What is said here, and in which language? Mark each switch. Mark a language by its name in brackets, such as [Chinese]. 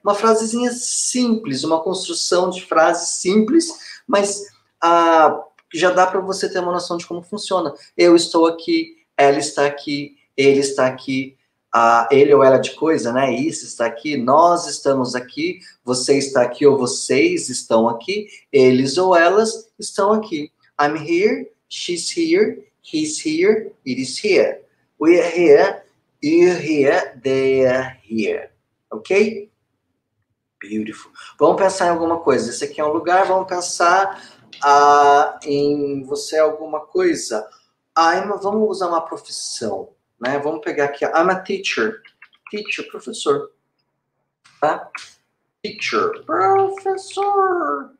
[Portuguese] Uma frasezinha simples, uma construção de frase simples, mas já dá para você ter uma noção de como funciona. Eu estou aqui, ela está aqui, ele está aqui, ele ou ela de coisa, né? Isso está aqui, nós estamos aqui, você está aqui ou vocês estão aqui, eles ou elas estão aqui. [English] I'm here, she's here, he's here, it is here. We are here, you're here, they are here. [Portuguese] Ok? Beautiful. Vamos pensar em alguma coisa. Esse aqui é um lugar, vamos pensar em você alguma coisa. Vamos usar uma profissão, né? Vamos pegar aqui, [English] I'm a teacher. [Portuguese] Teacher, professor. Tá? Teacher, professor.